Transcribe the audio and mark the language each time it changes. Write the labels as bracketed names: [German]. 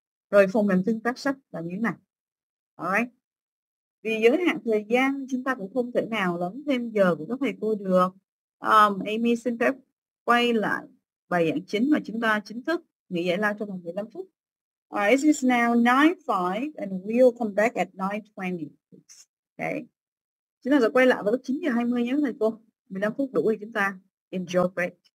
[Vietnamese] Rồi phần mềm tương tác sách là như thế này. Alright. Vì giới hạn thời gian chúng ta cũng không thể nào lấn thêm giờ của các thầy cô được. Amy xin phép quay lại bài giảng chính mà chúng ta chính thức nghỉ giải lao trong vòng 15 phút. [English] Alright, it is now 9:05 and we'll come back at 9:20. Okay. [Vietnamese] Chúng ta sẽ quay lại vào lúc 9:20 nhé thầy cô. 15 phút đủ thì chúng ta [English] enjoy break.